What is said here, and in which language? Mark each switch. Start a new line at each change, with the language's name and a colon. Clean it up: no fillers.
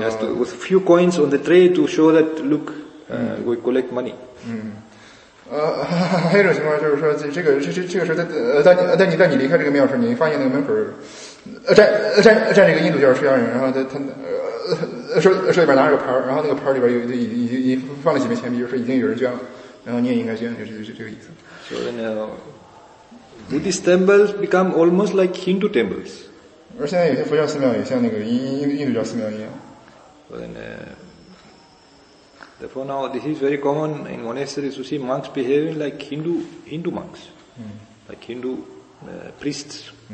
English: just with a few coins on the tray to show that look, mm-hmm. we collect money.
Chinese: 还有一种情况就是说，这个时候在你离开这个庙的时候，你发现那个门口站着一个印度教出家人，然后他手里边拿着牌，然后那个牌里边有已经放了几枚钱币，就是已经有人捐了。然后你也应该捐，就是这个意思。
English: So now, Buddhist temples become almost like Hindu temples.
Chinese: 而现在有些佛教寺庙也像那个印度教寺庙一样。
English: So then, therefore now this is very common in monasteries to see monks behaving like Hindu monks, like Hindu priests.